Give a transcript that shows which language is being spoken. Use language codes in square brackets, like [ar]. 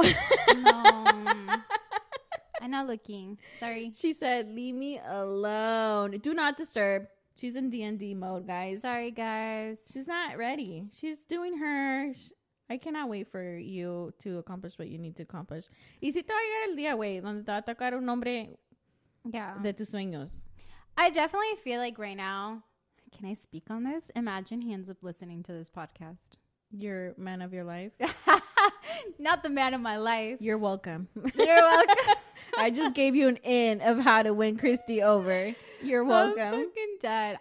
[en] No. I'm not looking. Sorry. She said leave me alone. Do not disturb. She's in D&D mode, guys. Sorry, guys. She's not ready. She's doing her... I cannot wait for you to accomplish what you need to accomplish. [es] Y si te va a llegar el día, güey, donde te va a tocar un hombre de tus sueños. [en] I definitely feel like right now, can I speak on this? Imagine he ends up listening to this podcast. Your man of your life? Not the man of my life. You're welcome. You're welcome. I just gave you an in of how to win Christy over. You're welcome. I'm fucking dead.